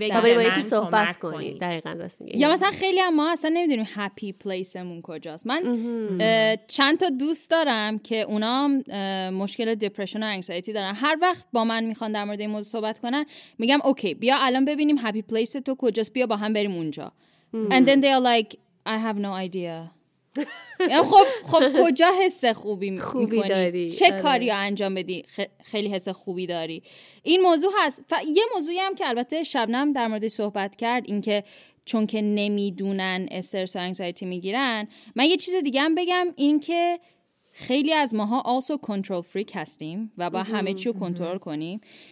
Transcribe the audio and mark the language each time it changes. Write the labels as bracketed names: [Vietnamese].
[Persian] یا بری با یکی صحبت کنی. دقیقاً راست میگی. یا مثلا خیلی هم ما اصلا نمیدونیم هپی پلیسمون کجاست. من چند تا دوست دارم که اونا مشکل دپرشن و انگزایتی دارن، هر وقت با من میخوان در مورد این موضوع صحبت کنن میگم اوکی بیا الان ببینیم هپی پلیس تو کجاست، بیا با هم بریم اونجا. [English] And then they are like I have no idea. [Persian] خب کجا حس خوبی میکنی؟ چه کاری رو انجام بدی خیلی حس خوبی داری؟ این موضوع هست. یه موضوعی هم که البته شبنم در مورد صحبت کرد، این که چون که نمیدونن استرس و انگزایتی میگیرن، من یه چیز دیگه هم بگم، این که خیلی از ماها [English] also control freak [Persian] هستیم و با همه چی رو کنترل کنیم.